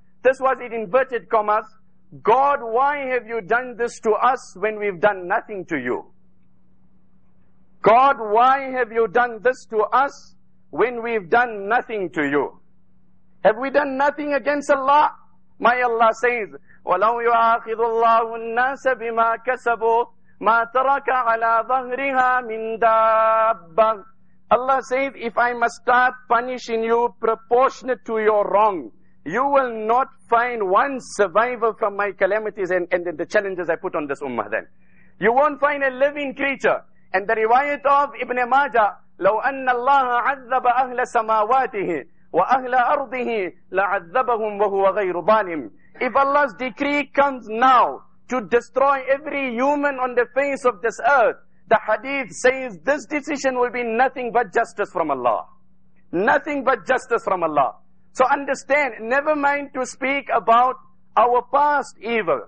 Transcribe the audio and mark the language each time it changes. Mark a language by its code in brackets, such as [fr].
[en] This was in inverted commas. God, why have you done this to us when we've done nothing to you? God, why have you done this to us when we've done nothing to you? Have we done nothing against Allah? [ar] My Allah says, وَلَوْ يُعَاخِذُ اللَّهُ النَّاسَ بِمَا كَسَبُوا مَا تَرَكَ عَلَىٰ ظَهْرِهَا مِنْ دَابًا. [en] Allah says, if I must start punishing you proportionate to your wrong, you will not find one survivor from my calamities and the challenges I put on this ummah then. You won't find a living creature. [ar] And the riwayat of Ibn Majah, لَوْ أَنَّ اللَّهَ عَذَّبَ أَهْلَ سَمَاوَاتِهِ وَأَهْلَ أَرْضِهِ لَعَذَّبَهُمْ وَهُوَ غَيْرُ ظَالِمٍ. [en] If Allah's decree comes now to destroy every human on the face of this earth, the hadith says this decision will be nothing but justice from Allah. Nothing but justice from Allah. So understand, never mind to speak about our past evil.